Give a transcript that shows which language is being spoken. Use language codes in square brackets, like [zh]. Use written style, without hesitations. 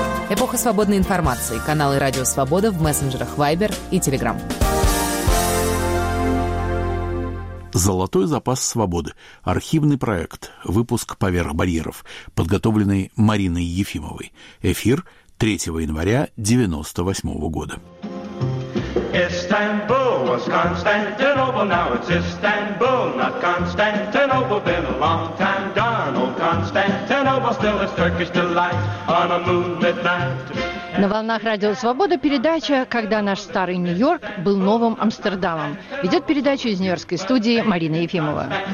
[ru] Эпоха свободной информации. Каналы «Радио Свобода» в мессенджерах Viber и Telegram. «Золотой запас свободы». Архивный проект. Выпуск «Поверх барьеров», подготовленный Мариной Ефимовой. Эфир 3 января 1998 года. [en] Istanbul was Constantinople, now it's Istanbul, not Constantinople. Been a long time gone, old Constantinople, still is Turkish delight on a moonlit night. [ru] На волнах «Радио Свобода» передача «Когда наш старый Нью-Йорк был новым Амстердамом». Ведет передачу из нью-йоркской студии Марина Ефимова.